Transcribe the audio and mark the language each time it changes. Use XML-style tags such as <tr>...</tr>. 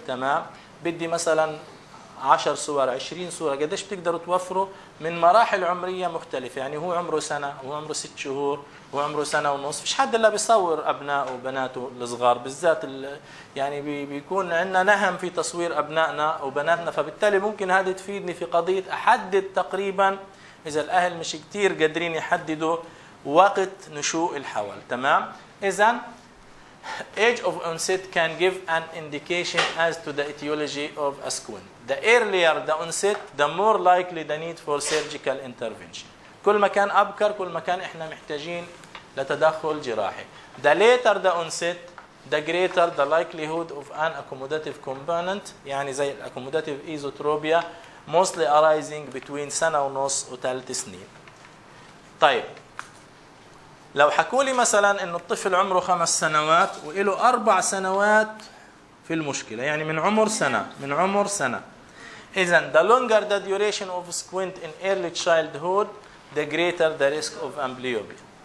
<ar>تمام؟ بدي مثلا 10 صور 20 صورة، قديش بتقدروا توفروا من مراحل عمرية مختلفة، يعني هو عمره سنة، هو عمره 6 شهور، هو عمره 1.5 سنة، فيش حد إلا بيصور أبنائه وبناته الصغار بالذات، يعني بيكون عندنا نهم في تصوير أبنائنا وبناتنا، فبالتالي ممكن هذه تفيدني في قضية أحدد تقريبا إذا الأهل مش كتير قادرين يحددوا وقت نشوء الحول. تمام؟ إذا</ar> <en>age of onset can give an indication as to the etiology of asquin. The earlier the onset, the more likely the need for surgical intervention.</en> <ar>كل ما كان أبكر كل ما كان إحنا محتاجين لتدخل جراحي.</ar> <en>The later the onset, the greater the likelihood of an accommodative component,</en> <ar>يعني زي</ar> <en>accommodative isotropia, mostly arising between 1.5</en> <ar>و3 سنين. طيب لو حكولي مثلا إنه الطفل عمره 5 سنوات وإله 4 سنوات في المشكلة، يعني من عمر سنة، إذن</ar> <en>the longer the duration of squint in early childhood, the greater the risk of amblyopia.</en>